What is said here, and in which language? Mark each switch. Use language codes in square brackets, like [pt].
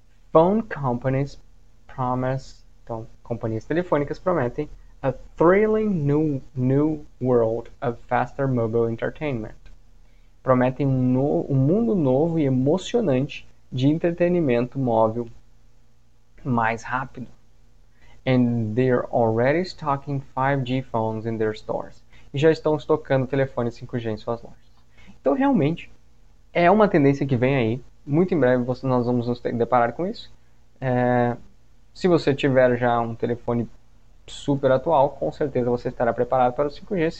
[en] Phone companies promise. [pt] Então, companhias telefônicas prometem [en] a thrilling new world of faster mobile entertainment. [pt] prometem um mundo novo e emocionante de entretenimento móvel mais rápido. [en] And they're already stocking 5G phones in their stores. [pt] E já estão estocando telefones 5G em suas lojas. Então, realmente, é uma tendência que vem aí. Muito em breve nós vamos nos deparar com isso. Se você tiver já um telefone super atual, com certeza você estará preparado para o 5G.